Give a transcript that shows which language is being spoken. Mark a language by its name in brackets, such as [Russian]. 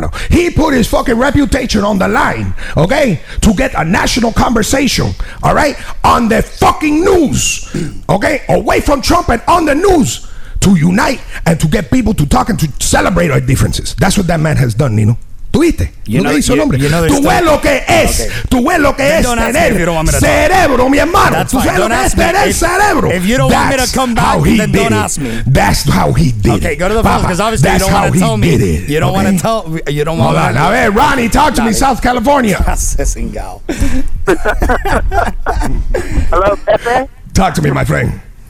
[English] He put his fucking reputation on the line, okay, to get a national conversation, all right, on the fucking news, okay, away from Trump and on the news to unite and to get people to talk and to celebrate our differences. That's what that man has done, Nino. Tuite, you know, [Spanish] hizo nombre. Tú ves lo que es. Tú ves lo que es tener cerebro, mi hermano. Tú ves lo que es tener cerebro. [English] If you don't want me to come back, then don't ask me. That's how he did it. Okay, go to the phone, because obviously you don't want to tell me. That's how he did it. You don't want to tell me. You don't want to. Hold on. [Spanish] A ver, [English] Ronnie, talk to me, South California. Hello, Pepe? Talk to me, my friend.